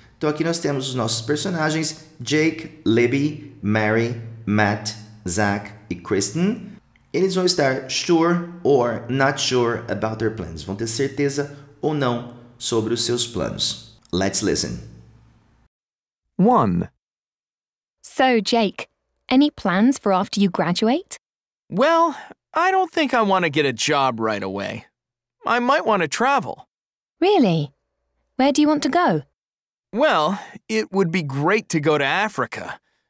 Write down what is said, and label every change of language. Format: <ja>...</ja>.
<pt>Então aqui nós temos os nossos personagens: Jake, Libby, Mary, Matt, Zach e Kristen. Eles vão estar</pt> <en>sure or not sure about their plans.</en> <pt>Vão ter certeza ou não sobre os seus planos.</pt> <en>Let's listen. 1. So, Jake, any plans for after you graduate? Well, I don't think I want to get a job right away. I might want to travel. Really? Where do you want to go? Well, it would be great to go to Africa.</en>